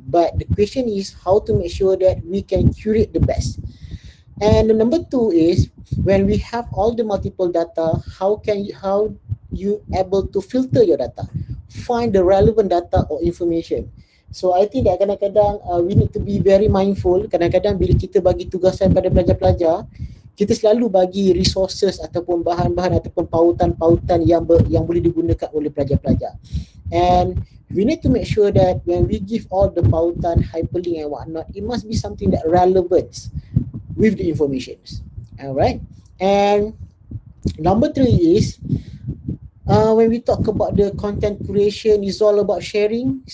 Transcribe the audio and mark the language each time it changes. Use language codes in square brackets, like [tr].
[en] But the question is how to make sure that we can curate the best. And the number two is when we have all the multiple data, how you able to filter your data, find the relevant data or information. So I think that [ms] kadang-kadang [en] we need to be very mindful. [ms] Kadang-kadang bila kita bagi tugasan pada pelajar-pelajar, kita selalu bagi resources ataupun bahan-bahan ataupun pautan-pautan yang boleh digunakan oleh pelajar-pelajar. [en] And we need to make sure that when we give all the pautan, hyperlink and whatnot, it must be something that relevant with the information. Alright. And number three is when we talk about the content creation, it's all about sharing.